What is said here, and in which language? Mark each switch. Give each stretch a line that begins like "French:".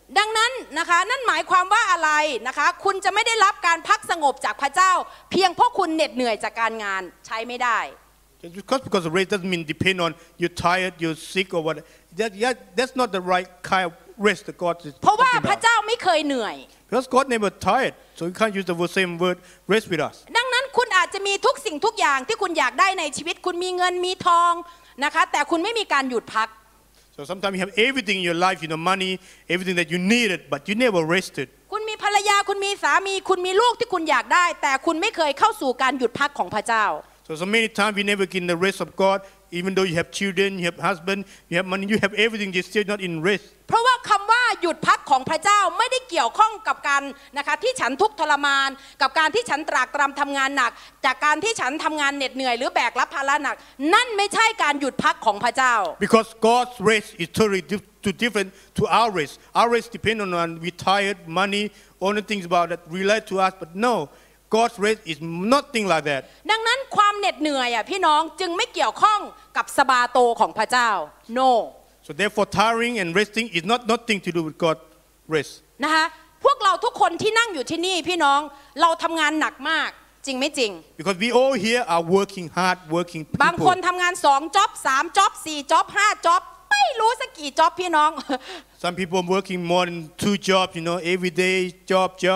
Thai: ดังนั้นนะคะนั่นหมายความว่าอะไรนะคะคุณจะไม่ได้รับการพักสงบจากพระเจ้าเพียงเพราะคุณเหน็ดเหนื่อยจากการงานใช้ไม่ได้
English: Because the rest doesn't mean depend on you're tired, you're sick or whatever. That's not the right kind of rest that God is talking about.
Thai: เพราะว่าพระเจ้าไม่เคยเหนื่อย
English: Because God never tired, so you can't use the same word rest with us.
Thai: ดังนั้นคุณอาจจะมีทุกสิ่งทุกอย่างที่คุณอยากได้ในชีวิตคุณมีเงินมีทองนะคะแต่คุณไม่มีการหยุดพัก
English: So sometimes you have everything in your life, you know, money, everything that you needed, but you never rested.
Thai: คุณมีภรรยาคุณมีสามีคุณมีลูกที่คุณอยากได้แต่คุณไม่เคยเข้าสู่การหยุดพักของพระเจ้า
English: So many times we never get the rest of God even though you have children you have husband you have money you have everything you still not in rest
Thai: เพราะว่าคำว่า หยุดพักของพระเจ้าไม่ได้เกี่ยวข้องกับการนะคะที่ฉันทุกข์ทรมานกับการที่ฉันตรากตรำทำงานหนักจากการที่ฉันทำงานเหน็ดเหนื่อยหรือแบกรับภาระหนักนั่นไม่ใช่การหยุดพักของพระเจ้า
English: Because God's rest is totally different to our rest. Our rest depends on retired money, all the things about that relate to us, but no. God's rest is nothing like that.
Thai: ดังนั้นความเหน็ดเหนื่อยอ่ะพี่น้องจึงไม่เกี่ยวข้องกับสบาโตของพระเจ้า
English: No. So therefore tiring and resting is not nothing to do with God's rest.
Thai: นะคะพวกเราทุกคนที่นั่งอยู่ที่นี่พี่น้องเราทำงานหนักมากจริงไม่จริง
English: Because we all here are working hard working people.
Thai: บางคนทำงาน2 job 3 job 4 job 5 job ไม่รู้สักกี่ job พี่น้อง
English: Some people are working more than 2 jobs you know every day job